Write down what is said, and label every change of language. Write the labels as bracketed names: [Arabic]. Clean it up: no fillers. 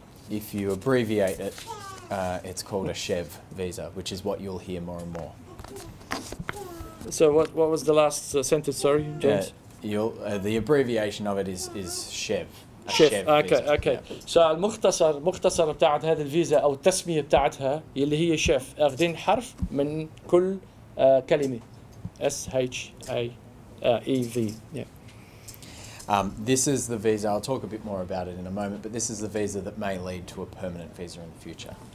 [English] If you abbreviate it, it's called a Chev visa, which is what you'll hear more and more. So what was the last sentence? Sorry, James. The abbreviation of it is Chev. Chef. Okay. So [Arabic] المختصر بتاعت هذه الفيزا أو التسمية بتاعتها يلي هي شيف أخذين حرف من كل كلمة S-H-A-E-V. [English] Yeah. This is the visa. I'll talk a bit more about it in a moment. But this is the visa that may lead to a permanent visa in the future.